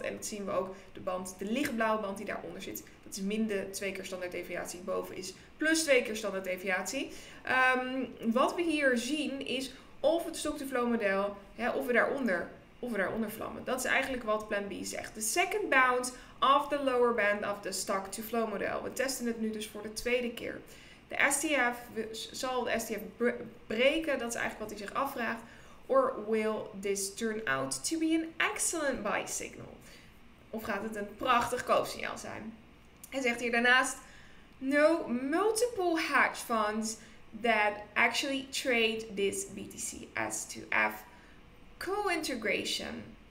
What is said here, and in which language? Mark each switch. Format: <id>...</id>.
<nl>En dat zien we ook de band, de lichtblauwe band die daaronder zit. Dat is min de 2 keer standaard deviatie. Boven is plus 2 keer standaard deviatie. Wat we hier zien is of het stock-to-flow model, of we daaronder vlammen. Dat is eigenlijk wat Plan B zegt.</nl> <en>The second bounce of the lower band of the stock to flow model.</en> <nl>We testen het nu dus voor de 2e keer. De STF, zal de STF breken? Dat is eigenlijk wat hij zich afvraagt.</nl> <en>Or will this turn out to be an excellent buy signal?</en> <nl>Of gaat het een prachtig koopsignaal zijn? Hij zegt hier daarnaast,</nl> <en>no multiple hedge funds that actually trade this BTC S2F co-integration.</en>